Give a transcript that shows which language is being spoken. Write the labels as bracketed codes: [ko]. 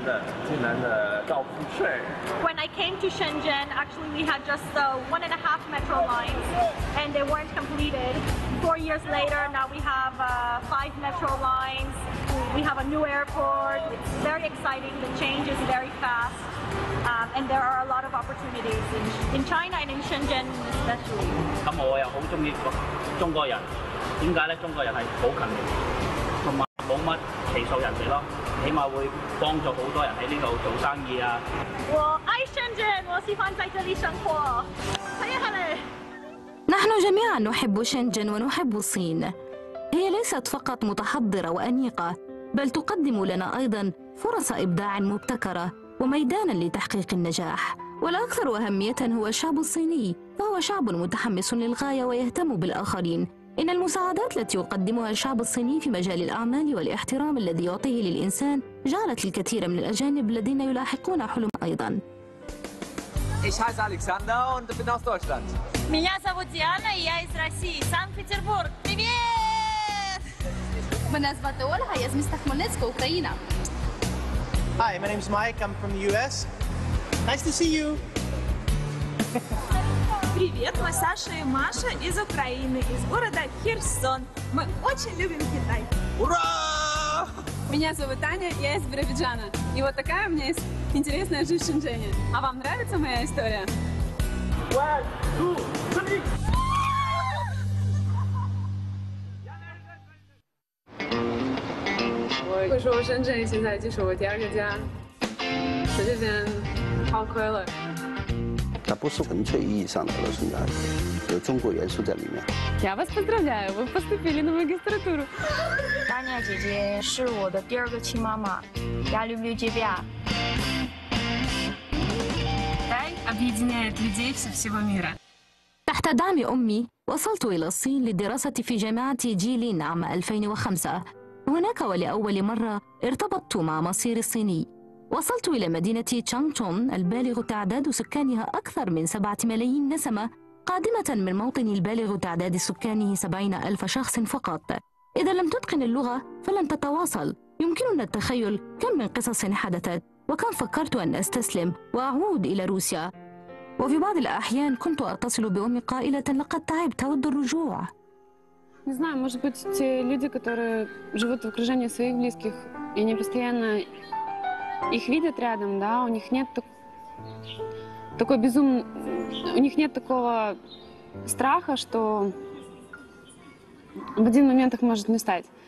[en] When I came to Shenzhen, actually we had just the 1.5 metro lines and they weren't completed. 4 years later, now we have 5 metro lines. We have a new airport. It's very exciting. The change is very fast. And there are a lot of opportunities in China and in Shenzhen especially. [zh] 我又很喜欢中国人，为什么呢？中国人是很勤力，还有没什么歧视人家，起码会帮助很多人在这里做生意。我爱 Shenzhen， 我喜欢在这里生活。欢迎回来。 [ar] نحن جميعا نحب شنجن ونحب الصين، هي ليست فقط متحضرة وأنيقة، بل تقدم لنا أيضا فرص إبداع مبتكرة وميدانا لتحقيق النجاح. والأكثر أهمية هو الشعب الصيني، فهو شعب متحمس للغاية ويهتم بالآخرين. إن المساعدات التي يقدمها الشعب الصيني في مجال الأعمال والاحترام الذي يعطيه للإنسان جعلت الكثير من الأجانب الذين يلاحقون حلم أيضا. [de] Ich heiße Alexander und bin aus Deutschland. [ru] Меня зовут Диана, и я из России, Санкт-Петербург. Привет! Меня зовут Ольга, я из места Хмельницка, Украина. [en] Hi, my name is Mike, I'm from the US. Nice to see you. [ru] Привет, мы Саша и Маша из Украины, из города Херсон. Мы очень любим Китай. Ура! Меня зовут Аня, я из Биробиджана. И вот такая у меня есть интересная жизнь в Шэньчжэне. А вам нравится моя история? [en] One, two, three! [ru] Она не просто [zh] 纯粹意义上的俄罗斯女孩子，有中国元素在里面. [ru] Я вас поздравляю, вы поступили на магистратуру. [zh] Таня 姐姐是我的第二个亲妈妈. [ru] Я люблю тебя. Тай объединяет людей со всего мира. [ar] تحت دعم أمي وصلت إلى الصين للدراسة في جامعة جيلين عام 2005. هناك ولأول مرة ارتبطت مع مصير الصيني. وصلت إلى مدينة تشانغتون البالغ تعداد سكانها أكثر من 7 ملايين نسمة، قادمة من موطن البالغ تعداد سكانه 70 ألف شخص فقط. إذا لم تتقن اللغة فلن تتواصل. يمكننا التخيل كم من قصص حدثت، وكم فكرت أن أستسلم وأعود إلى روسيا. وفي بعض الأحيان كنت أتصل بأمي قائلة لقد تعبت أود الرجوع. [ru] Не знаю, может быть, те люди, которые живут в окружении своих близких, и они постоянно их видят рядом, да, у них нет такой безумной, у них нет такого страха, что в один момент их может не стать.